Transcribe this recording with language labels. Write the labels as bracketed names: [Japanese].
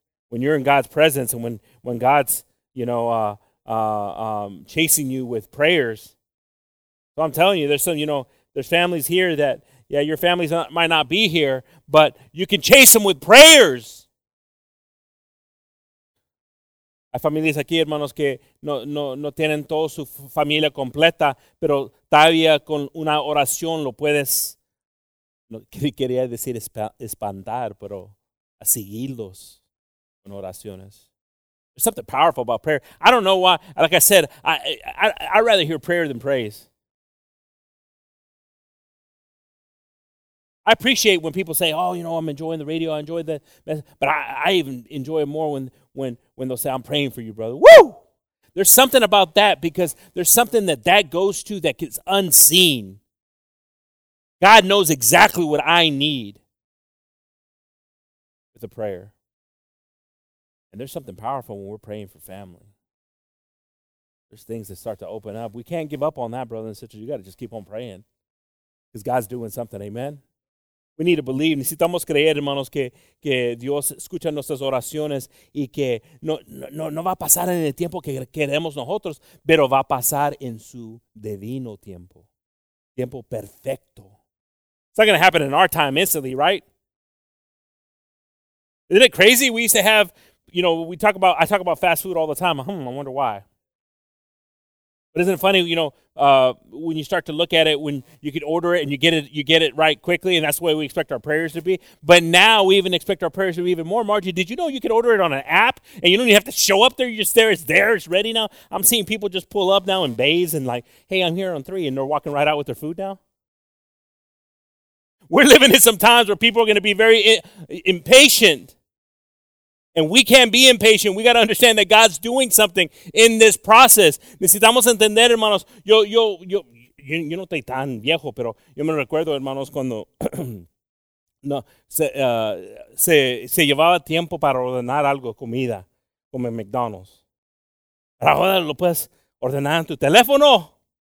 [English] When you're in God's presence and when God's, you know, chasing you with prayers, so I'm telling you, there's some, you know, there's families here that, yeah, your families might not be here, but you can chase them with prayers. [Spanish] Hay familias aquí, hermanos, que no tienen toda su familia completa, pero todavía con una oración lo puedes, no quería decir espantar, pero a seguirlos con oraciones. [English] There's something powerful about prayer. I don't know why, like I said, I'd rather hear prayer than praise. I appreciate when people say, oh, you know, I'm enjoying the radio, I enjoy the message. But I even enjoy it more when they'll say, I'm praying for you, brother. Woo! There's something about that because there's something that goes to that gets unseen. God knows exactly what I need with a prayer. And there's something powerful when we're praying for family. There's things that start to open up. We can't give up on that, brothers and sisters. You got to just keep on praying because God's doing something. Amen? We need to believe. [Spanish] Necesitamos creer, hermanos, que Dios escucha nuestras oraciones y que no va a pasar en el tiempo que queremos nosotros, pero va a pasar en su divino tiempo. tiempo perfecto. [English] It's not going to happen in our time instantly, right? Isn't it crazy? We used to have, you know, I talk about fast food all the time. I wonder why. But isn't it funny, you know, when you start to look at it, when you can order it and you get it right quickly, and that's the way we expect our prayers to be. But now we even expect our prayers to be even more. Margie, did you know you can order it on an app and you don't even have to show up there? You're just there, it's there, it's ready now. I'm seeing people just pull up now in bays and like, hey, I'm here on three, and they're walking right out with their food now. We're living in some times where people are going to be very impatient. And we can't be impatient. We got to understand that God's doing something in this process. [Spanish] Necesitamos entender, hermanos. Yo no estoy tan viejo, pero yo me recuerdo, hermanos, cuando se llevaba tiempo para ordenar algo, comida, como en McDonald's. Pero ahora lo puedes ordenar en tu teléfono.